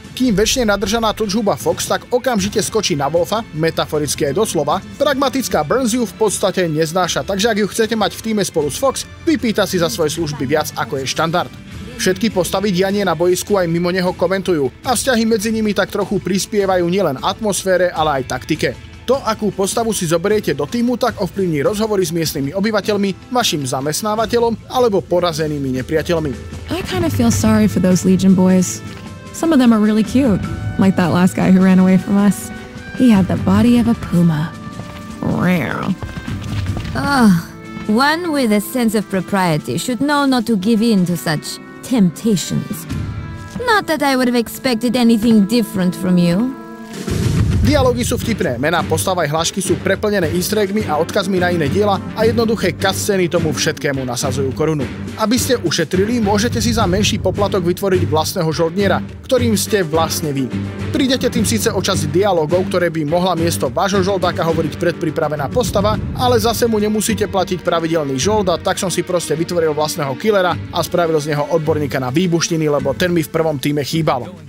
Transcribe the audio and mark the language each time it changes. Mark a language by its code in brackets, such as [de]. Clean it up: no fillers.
[sk] Kým väčšine nadržaná tlčhuba Fox tak okamžite skočí na Wolfa, metaforicky aj doslova, pragmatická Burns ju v podstate neznáša, takže ak ju chcete mať v týme spolu s Fox, vypýta si za svoje služby viac ako je štandard. Všetky postavy dianie na boisku aj mimo neho komentujú a vzťahy medzi nimi tak trochu prispievajú nielen atmosfére, ale aj taktike. To, akú postavu si zoberiete do týmu, tak ovplyvní rozhovory s miestnymi obyvateľmi, vašim zamestnávateľom alebo porazenými nepriateľmi. [en] I kind of feel sorry for those Legion boys. Some of them are really cute, like that last guy who ran away from us. He had the body of a puma. Rare. Ugh, one with a sense of propriety should know not to give in to such temptations. Not that I would have expected anything different from you. [sk] Dialógy sú vtipné, mená postav aj hlášky sú preplnené easter eggmi a odkazmi na iné diela a jednoduché cutscény tomu všetkému nasadzujú korunu. Aby ste ušetrili, môžete si za menší poplatok vytvoriť vlastného žoldniera, ktorým ste vlastne vy. Prídete tým síce o časť dialógov, ktoré by mohla miesto vášho žoldáka hovoriť predpripravená postava, ale zase mu nemusíte platiť pravidelný žolda, tak som si proste vytvoril vlastného killera a spravil z neho odborníka na výbuštiny, lebo ten mi v prvom týme chýbal.